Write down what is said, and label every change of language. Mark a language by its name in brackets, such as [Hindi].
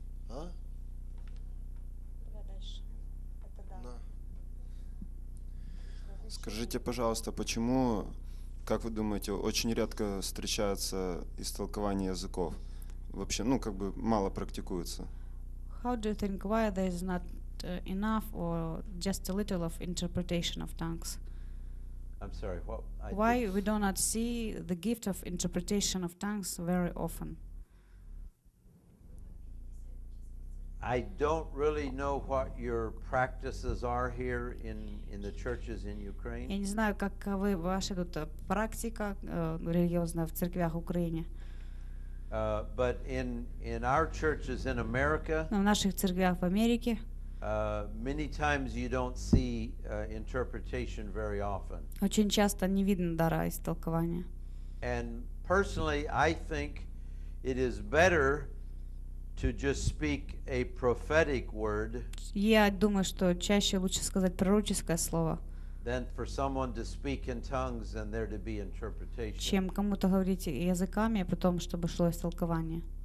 [Russian] А? Это да. Да. Скажите, пожалуйста, почему, как вы думаете, очень редко встречается истолкование языков? Вообще, мало практикуется. [English] How do you think, why there is not enough or just a little of interpretation of tongues? I'm sorry, what? Why we do not see the gift of interpretation of tongues very often? I don't really know what your practices are here in the churches in Ukraine. [Russian] Я не знаю, каковы ваши тут практика религиозная в церквях Украины. [English] But in our churches in America, [Russian] в наших церквях в Америке, [English] many times you don't see interpretation very often. [Russian] Очень часто не видно дара истолкования. [English] And personally, I think it is better to just speak a prophetic word. [Russian] Я думаю, что чаще лучше сказать пророческое слово. [English] Than for someone to speak in tongues and there to be interpretation. [Russian] Чем кому-то говорить языками, а потом чтобы шло истолкование.